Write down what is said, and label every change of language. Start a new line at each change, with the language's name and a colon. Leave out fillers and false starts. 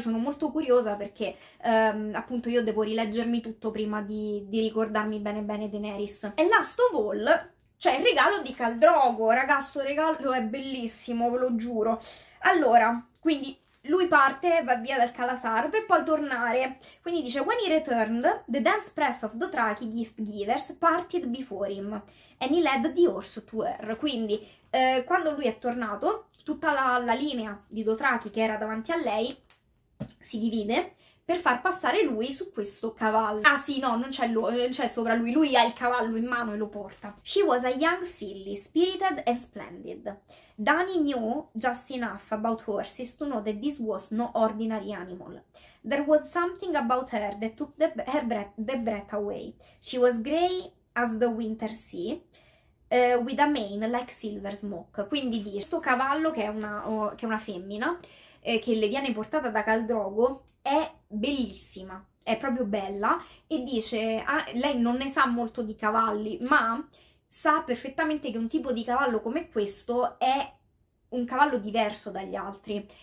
Italian: Sono molto curiosa perché appunto io devo rileggermi tutto prima di ricordarmi bene bene Daenerys. E
English: Last of All,
Italian: c'è il regalo di Khal Drogo. Ragazzi, questo regalo è bellissimo, ve lo giuro. Allora, quindi lui parte, va via dal Khalasar per poi tornare. Quindi dice:
English: "When he returned, the dense press of Dothraki gift givers parted before him, and he led the horse to her."
Italian: Quindi, quando lui è tornato, tutta la linea di Dothraki che era davanti a lei si divide per far passare lui su questo cavallo. Ah sì, no, non c'è lui, non c'è sopra lui. Lui ha il cavallo in mano e lo porta.
English: She was a young filly, spirited and splendid. Danny knew just enough about horses to know that this was no ordinary animal. There was something about her that took the breath away. She was grey as the winter sea, with a mane like silver smoke.
Italian: Quindi questo cavallo che è una femmina, che le viene portata da Khal Drogo, è bellissima, è proprio bella, e dice, ah, lei non ne sa molto di cavalli, ma sa perfettamente che un tipo di cavallo come questo è un cavallo diverso dagli altri.